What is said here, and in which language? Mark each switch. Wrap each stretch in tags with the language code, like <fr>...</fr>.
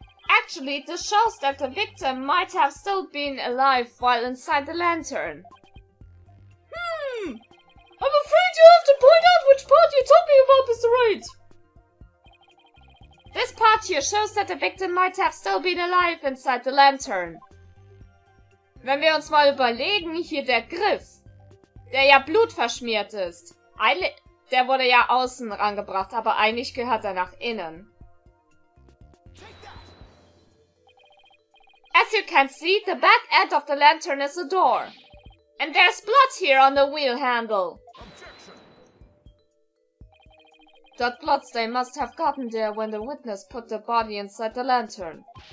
<en>Actually, this shows that the victim might have still been alive while inside the lantern. I'm afraid you have to point out which part you're talking about, Mr. This part here shows that the victim might have still been alive inside the lantern.</en> <de>Wenn wir uns mal überlegen, hier der Griff, der ja blutverschmiert ist, der wurde ja außen rangebracht, aber eigentlich gehört er nach innen.</de> <en>As you can see, the back end of the lantern is a door. And there's blood here on the wheel handle. Objection. That blood stain must have gotten there when the witness put the body inside the lantern.</en>